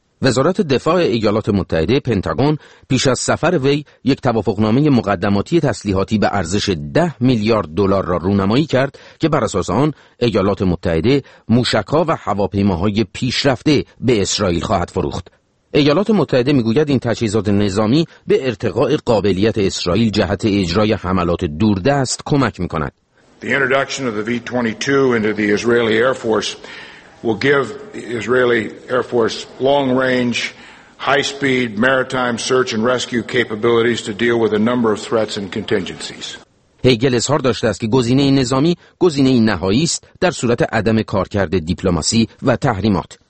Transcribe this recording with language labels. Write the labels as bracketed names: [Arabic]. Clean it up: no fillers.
[Persian] وزارت دفاع ایالات متحده پنتاگون پیش از سفر وی یک توافقنامه مقدماتی تسلیحاتی به ارزش 10 میلیارد دلار را رونمایی کرد که بر اساس آن ایالات متحده موشک‌ها و هواپیماهای پیشرفته به اسرائیل خواهد فروخت. ایالات متحده میگوید این تجهیزات نظامی به ارتقاء قابلیت اسرائیل جهت اجرای حملات دوردست کمک می‌کند. [English] The introduction of the V-22 into the Israeli Air Force will give the Israeli Air Force long-range, high-speed maritime search and rescue capabilities to deal with a number of threats and contingencies. [Persian] هیگل اظهار داشته است که گزینه نظامی گزینه نهایی است در صورت عدم کارکرد دیپلماسی و تحریمات.